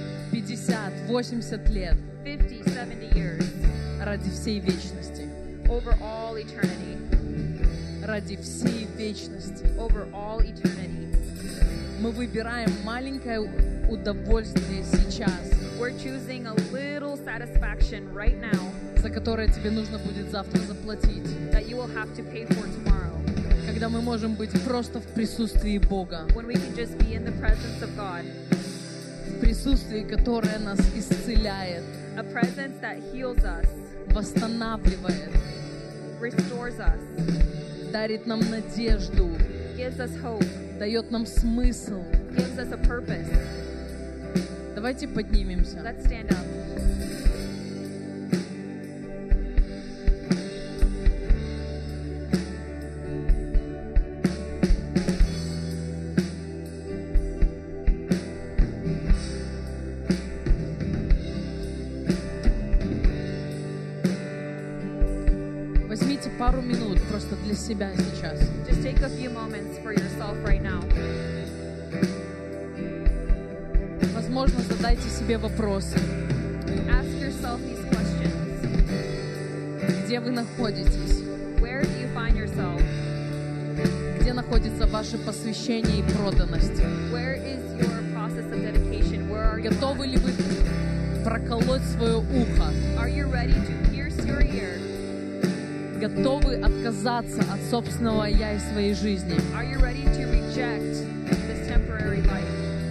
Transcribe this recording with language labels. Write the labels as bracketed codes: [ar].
[ru] 50-80 лет. [en] 50-70 years. [ru] Ради всей вечности. [en] Over all eternity. [ru] Ради всей вечности. [en] Over all eternity. [ru] Мы выбираем маленькое удовольствие сейчас. [en] We're choosing a little satisfaction right now. [ru] За которое тебе нужно будет завтра заплатить. [en] That you will have to pay for tomorrow. [ru] Когда мы можем быть просто в присутствии Бога. [en] When we can just be in the presence of God. [ru] В присутствии, которое нас исцеляет. [en] A presence that heals us. [ru] Восстанавливает. [en] Restores us. [ru] Дарит нам надежду. [en] Gives us hope. [ru] Дает нам смысл. [en] Gives us a purpose. [ru] Давайте поднимемся. [en] Let's stand up. [ru] Возьмите пару минут просто для себя сейчас. [en] Just take a few moments for yourself right now. [ru] Возможно, задайте себе вопросы. [en] Ask yourself these questions. [ru] Где вы находитесь? [en] Where do you find yourself? [ru] Где находится ваше посвящение и проданность? [en] Where is your process of dedication? Where are you? [ru] Готовы ли вы проколоть свое ухо? [en] Are you ready to pierce your ear? [ru] Готовы отказаться от собственного я и своей жизни? [en] Are you ready to reject this temporary life?